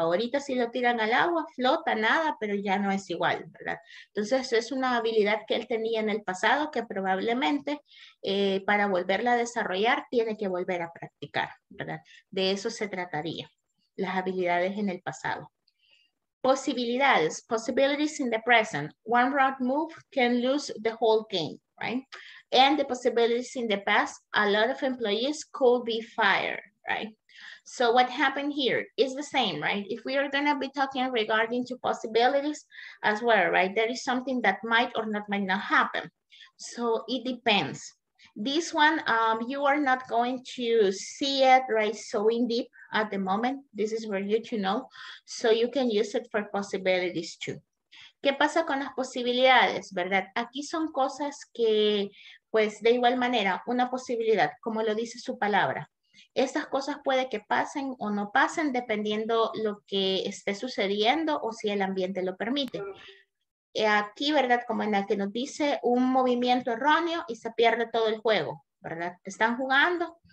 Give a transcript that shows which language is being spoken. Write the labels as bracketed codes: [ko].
[es] Ahorita si lo tiran al agua, flota, nada, pero ya no es igual, ¿verdad? Entonces, es una habilidad que él tenía en el pasado que probablemente para volverla a desarrollar, tiene que volver a practicar, ¿verdad? De eso se trataría, las habilidades en el pasado. [en] Posibilidades, possibilities in the present. One wrong move can lose the whole game, right? And the possibilities in the past, a lot of employees could be fired, right? So what happened here is the same, right? If we are going to be talking regarding to possibilities as well, right? There is something that might or not might not happen. So it depends. This one, you are not going to see it, right, so in deep. At the moment, this is for you to know, so you can use it for possibilities too. [es] ¿Qué pasa con las posibilidades, verdad? Aquí son cosas que, pues, de igual manera, una posibilidad, como lo dice su palabra. Estas cosas puede que pasen o no pasen dependiendo lo que esté sucediendo o si el ambiente lo permite. Aquí, verdad, como en la que nos dice, un movimiento erróneo y se pierde todo el juego, ¿verdad? ¿Están jugando?